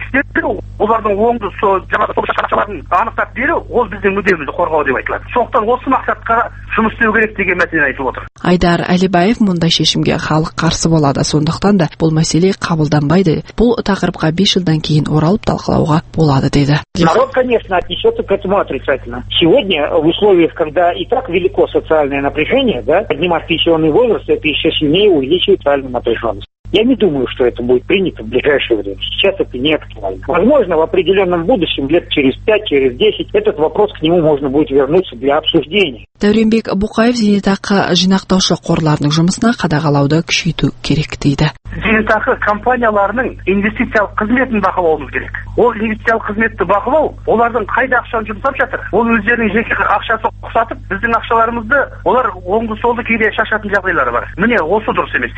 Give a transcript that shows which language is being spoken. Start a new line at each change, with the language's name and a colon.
Kazakh: беру, олардың оңды жаңағы анықтап беру, ол біздің мүдемізді қорғау деп айтылады. Сондықтан осы мақсатқа жұмыс істеу керек деген мәселе айтылып отыр. Айдар Әлібаев мұндай шешімге халық қарсы болады, сондықтан да бұл мәселе қабылданбайды. Бұл тақырыпқа 5 жылдан кейін оралып талқылауға болады деді.
Russian: Народ, конечно, отнесется к этому отрицательно. Сегодня в условиях, когда и так велико социальное напряжение, да, поднимать пенсионный возраст, это еще сильнее увеличивает социальную напряженность. Я не думаю, что это будет принято в ближайшее время. Сейчас это не актуально. Возможно, в определенном будущем, лет через 5, через 10, этот вопрос к нему можно будет вернуться для обсуждения.
Kazakh: Дәуренбек Бұқаев зейнетақы жинақтаушы қорларының жұмысына қадағалауды күшейту керек дейді. Зейнетақы компанияларының инвестициялық қызметін бақылауымыз керек. Ол инвестициялық қызметті бақылау, олардың қайда ақшаны жұмсап жатыр. Ол өздерінің жеке ақшасын құсатып, біздің ақшаларымызды олар оңды-солды кейде шашатын жағдайлары бар. Міне, осы дұрыс емес.